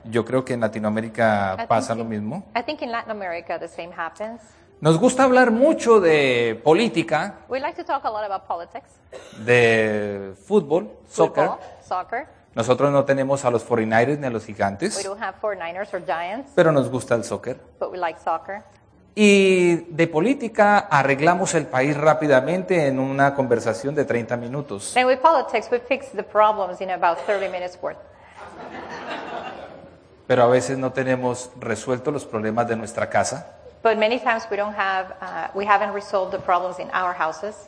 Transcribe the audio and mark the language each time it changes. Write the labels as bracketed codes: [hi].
[es] Yo creo que en Latinoamérica pasa lo mismo. [en] I think in Latin America the same happens. [es] Nos gusta hablar mucho de política. [en] We like to talk a lot about politics. [es] De fútbol, soccer. [en] Football, soccer. [es] Nosotros no tenemos a los 49ers ni a los gigantes. [en] We don't have 49ers or giants. [es] Pero nos gusta el soccer. [en] But we like soccer. [es] Y de política arreglamos el país rápidamente en una conversación de 30 minutos. [en] Then with politics we fix the problems in about 30 minutes worth. [es] Pero a veces no tenemos resuelto los problemas de nuestra casa. [en] But many times we don't have, we haven't resolved the problems in our houses.